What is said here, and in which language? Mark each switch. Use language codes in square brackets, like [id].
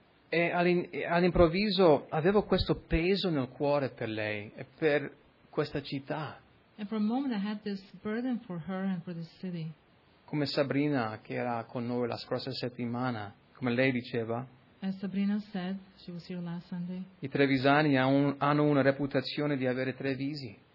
[it] E all'improvviso avevo questo peso nel cuore per lei e per questa città. [en] And for a moment I had this burden for her and for this city. [it] Come Sabrina che era con noi la scorsa settimana, come lei diceva. [en] As Sabrina said, she was here last Sunday. [it] I trevisani hanno una reputazione di avere tre visi.